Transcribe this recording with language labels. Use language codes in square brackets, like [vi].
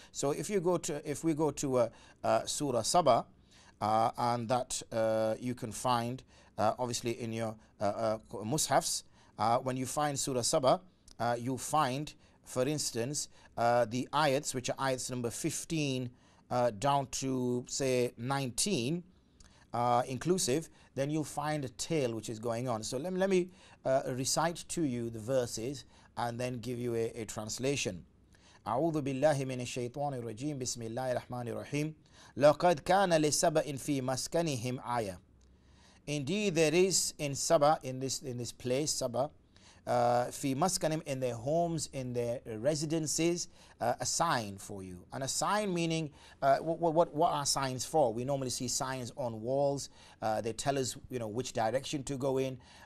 [en] So if we go to Surah Saba, and that you can find obviously in your Mushafs, when you find Surah Saba, you'll find, for instance, the ayats, which are ayats number 15 down to say 19 inclusive, then you'll find a tale which is going on. So let me recite to you the verses and then give you a translation. [ar] أعوذ بالله من الشيطان الرجيم بسم الله الرحمن الرحيم لقد كان لسبأ في مسكنهم آية. [en] Indeed, there is in Saba, in this place, Saba, [ar] في مسكنهم, [en] in their homes, in their residences, a sign for you. And a sign meaning, what are signs for? We normally see signs on walls. They tell us, you know, which direction to go in.